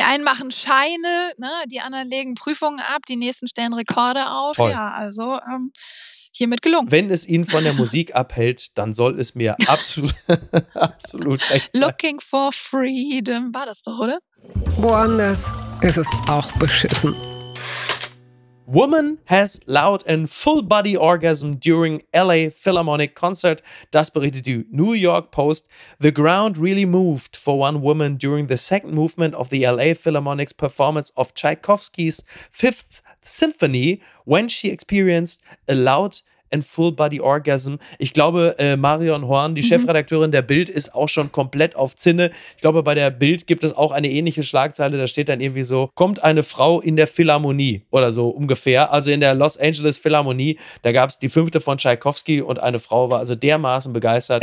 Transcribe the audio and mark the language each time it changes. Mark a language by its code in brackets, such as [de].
[de] Die einen machen Scheine, ne? Die anderen legen Prüfungen ab, die nächsten stellen Rekorde auf. Toll. Ja, also hiermit gelungen. Wenn es ihn von der Musik abhält, dann soll es mir absolut, absolut recht sein. [en] Looking for freedom, [de] war das doch, oder? Woanders ist es auch beschissen. [en] Woman has loud and full body orgasm during LA Philharmonic concert. [de] Das berichtet die New York Post. [en] The ground really moved for one woman during the second movement of the LA Philharmonic's performance of Tchaikovsky's Fifth Symphony when she experienced a loud and full body orgasm. [de] Ich glaube, Marion Horn, die Chefredakteurin der Bild, ist auch schon komplett auf Zinne. Ich glaube, bei der Bild gibt es auch eine ähnliche Schlagzeile. Da steht dann irgendwie so, kommt eine Frau in der Philharmonie oder so ungefähr. Also in der Los Angeles Philharmonie. Da gab es die fünfte von Tchaikovsky und eine Frau war also dermaßen begeistert.